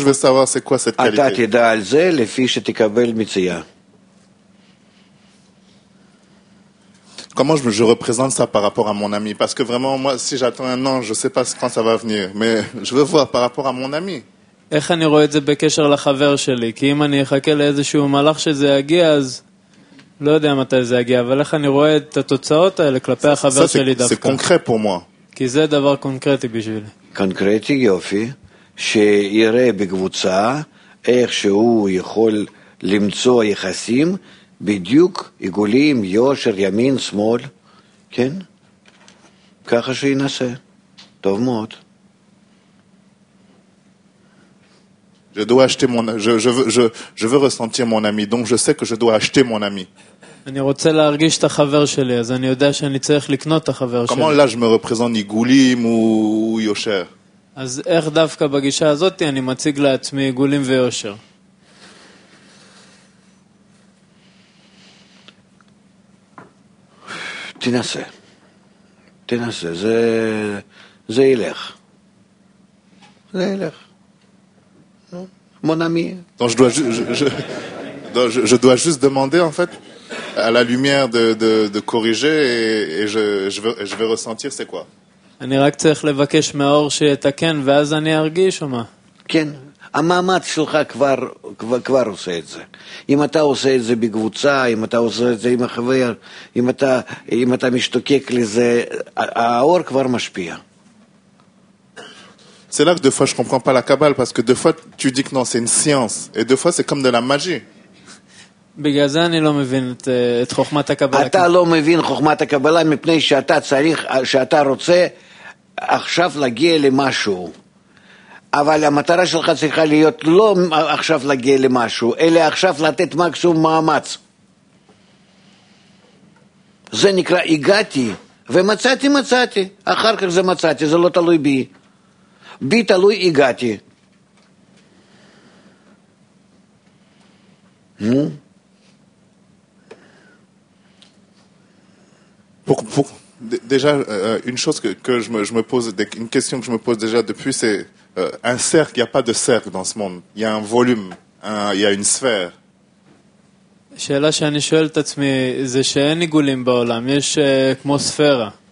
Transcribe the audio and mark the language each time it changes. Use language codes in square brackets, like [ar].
[fr] je vais savoir c'est quoi cette qualité? Tu sais sur ça, le fils que tu kabel mitzia. Comment je représente ça par rapport à mon ami? Parce que vraiment, moi, si j'attends un ange, je ne sais pas quand ça va venir, mais je veux voir par rapport à mon ami. [he] איך אני רואה את זה בקשר לחבר שלי? כי אם אני אחכה לאיזשהו מלאך שזה יגיע, אז לא יודע מתי זה יגיע, אבל איך אני רואה את התוצאות האלה כלפי החבר שלי דווקא? זה קונקרט פה מה. כי זה דבר קונקרטי בשבילי. קונקרטי יופי, שיראה בקבוצה איך שהוא יכול למצוא יחסים בדיוק עיגולים, יושר, ימין, שמאל, כן? ככה שינסה. טוב מאוד. [fr] Je dois acheter mon je veux ressentir mon ami, donc je sais que je dois acheter mon ami. [he] אני רוצה להרגיש את החבר שלי, אז אני יודע שאני צריך לקנות את החבר שלי. [fr] Comment là je me représente Igulim ou Yosher? [he] אז איך דווקא בגישה הזאת אני מציג לעצמי Igulim ויושר? תנסה. זה ילך. [fr] Mon ami. Donc je dois juste demander en fait à la lumière de corriger et je vais ressentir c'est quoi. [he] אני רק צריך לבקש מאור שיתקן ואז אני ארגיש או מה? כן, המאמץ שלך כבר עושה את זה. אם אתה עושה את זה בקבוצה, אם אתה עושה את זה עם החבר, אם אתה משתוקק לזה, האור כבר משפיע. [fr] C'est là que deux fois je comprends pas la Kabbale, parce que deux fois tu dis que non, c'est une science, et deux fois c'est comme de la magie. [he] בגלל זה אני לא מבין את חוכמת הקבלה. אתה לא מבין חוכמת הקבלה מפני שאתה רוצה עכשיו להגיע למשהו. אבל המטרה שלך צריכה להיות לא עכשיו להגיע למשהו, אלא עכשיו לתת מקסימום מאמץ. זה נקרא הגעתי ומצאתי, אחר כך זה מצאתי, זה לא תלוי בי. בי תלוי הגעתי. נו. [fr] Pour déjà une chose que je me pose, une question que je me pose déjà depuis, c'est un cercle, il y a pas de cercle dans ce monde. Il y a un volume, il y a une sphère. [he] שאלה שאני שואל את עצמי, זה שאין עיגולים בעולם, יש כמו ספירה.